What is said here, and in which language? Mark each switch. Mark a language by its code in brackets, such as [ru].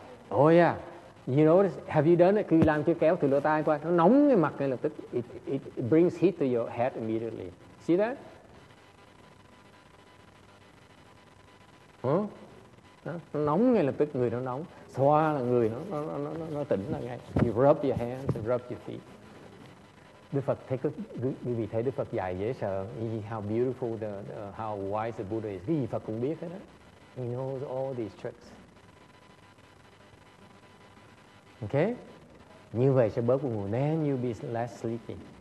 [en] Oh yeah, you know, have you done it? [vi] Khi làm cái kéo từ lỗ tai qua, nó nóng cái mặt ngay lập tức. [en] It brings heat to your head immediately. See that? [vi] Nó nóng ngay lập tức, người nó nóng. Xoa là người nó tỉnh là ngay. [en] You rub your hands and rub your feet. [vi] Đức Phật thấy cái vị thế Đức Phật dạy dễ sợ. [en] How beautiful how wise the Buddha is. [vi] Cái gì Phật cũng biết hết đó. [en] He knows all these tricks. [vi] Okay, như vậy sẽ bớt buồn ngủ. [en] Then you'll be less sleepy.